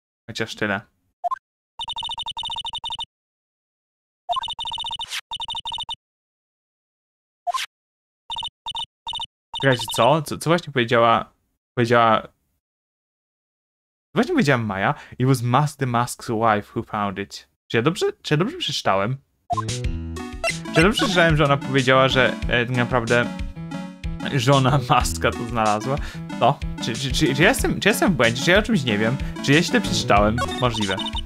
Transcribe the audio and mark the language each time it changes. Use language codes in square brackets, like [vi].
[pl] Chociaż tyle. Czekajcie, co? Co właśnie powiedziała... Powiedziała Maja? [en] It was Mask the Mask's wife who found it. [pl] Czy ja dobrze przeczytałem? Czy ja dobrze przeczytałem, że ona powiedziała, że naprawdę... żona Maska to znalazła. To? Czy jestem w błędzie? Czy ja o czymś nie wiem? Czy ja źle przeczytałem? Możliwe.